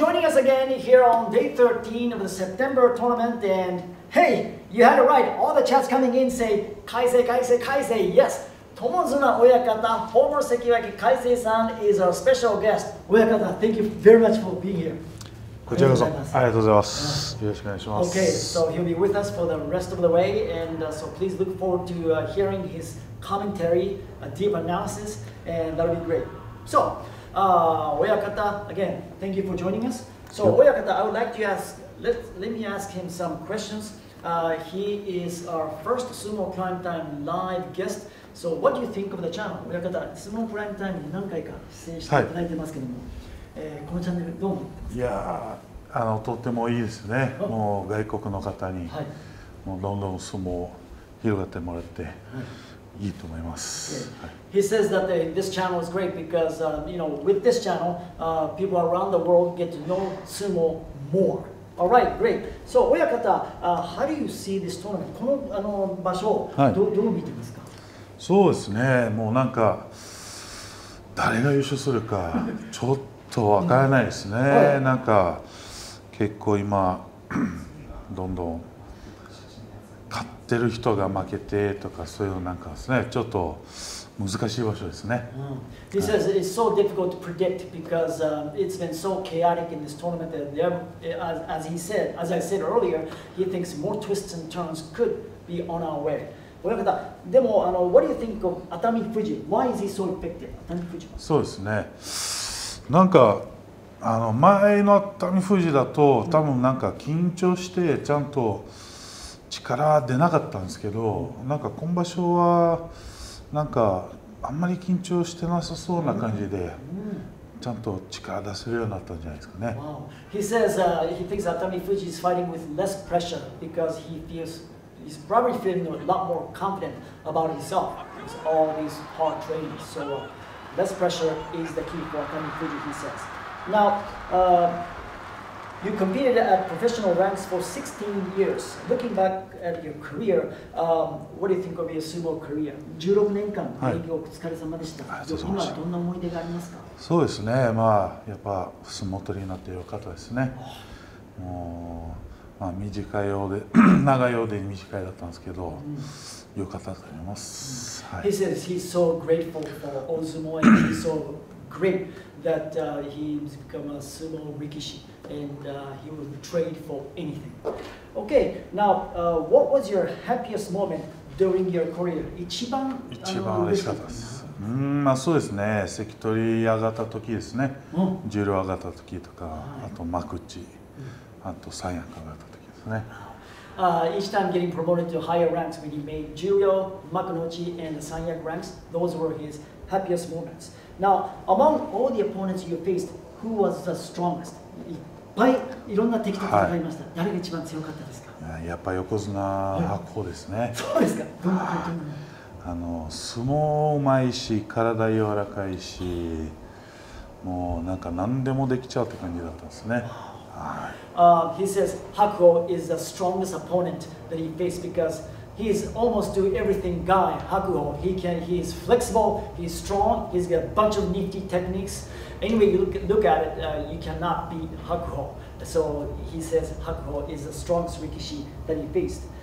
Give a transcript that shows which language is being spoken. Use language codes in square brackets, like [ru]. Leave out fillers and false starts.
[en] standing here on day 13 of the September tournament, and hey, you had it right. All the chats coming in say, Kaisei, Kaisei, Kaisei. Yes, Tomozuna Oyakata, former Sekiwake Kaisei-san, is our special guest. Oyakata, thank you very much for being here. [ja] こちらこそ、ありがとうございます。よろしくお願いします。Okay, [en] so he'll be with us for the rest of the way, and so please look forward to hearing his commentary, a deep analysis, and that'll be great. So, Oyakata, again, thank you for joining us. So, yep. Oyakata, I would like to ask, let me ask him some questions. He is our first Sumo Prime Time live guest. So, what do you think of the channel? [ja] Oyakata, Sumo Prime Time に何回か出演していただいてますけども。はいこのチャンネルどう思ってますか？いやとてもいいですね。もう外国の方に、はい、もうどんどん相撲を広がってもらって、はい、いいと思います。 [en] Okay. はい、He says that this channel is great because, you know, with this channel, people around the world get to know sumo more. All right, great. So, 親方、how do you see this tournament? [ja] この、場所を、はい、どう見てますか？そうですね。もうなんか、誰が優勝するか、ちょっと、と分からないですね、うんはい、なんか結構今どんどん勝ってる人が負けてとかそういうなんかですねちょっと難しい場所ですね、 [en] うん、He says it's so difficult to predict because、it's been so chaotic in this tournament that there, as he said, as I said earlier, he thinks more twists and turns could be on our way. 親方、でも what do you think of 熱海富士?Why is he so effective? 熱海富士 [ja] は。そうですね。なんか前の熱海富士だと多分なんか緊張してちゃんと力出なかったんですけど、うん、なんか今場所はなんかあんまり緊張してなさそうな感じで、うんうん、ちゃんと力出せるようになったんじゃないですかね。 [en] Wow. He says he thinks that 熱海富士 is fighting with less pressure because he feels he's probably feeling a lot more confident about himself with all these hard training. So,less pressure is the key for Tami Fuji, he says. Now, you competed at professional ranks for 16 years. Looking back at your career, what do you think of your sumo career? [ja] 16年間、はい、お疲れ様でした。今はどんな思い出がありますか？そうですね。まあ、やっぱ相撲取りになってよかったですね。もう、まあ、短いようで、長いようで短いだったんですけど、うん良かったと思います。 [en] He says he's so grateful for Ozumo and he's so great that he's become a sumo rikishi and he would trade for anything. Okay, now what was your happiest moment during your career? [ja] 一番嬉しかったです。まあそうですね。関取上がった時ですね。十両上がった時とか、あと幕内、あと三役上がった時ですね。 [en] Each time getting promoted to higher ranks when he made Juryo, Makunouchi, and the Sanyak ranks, those were his happiest moments. Now, among all the opponents you faced, who was the strongest? [ja] いっぱいいろんな敵と戦いました。はい、誰が一番強かったですか？やっぱ横綱白鵬ですね。そうですか。どんな感じで？相撲うまいし、体柔らかいし、もうなんか何でもできちゃうって感じだったんですね。 [en] He says Hakuo is the strongest opponent that he faced because he's almost do everything guy. Hakuo, he's flexible, he's strong, he's got a bunch of nifty techniques. Anyway, you look at it, you cannot beat Hakuo. So he says Hakuo is the strongest rikishi that he faced.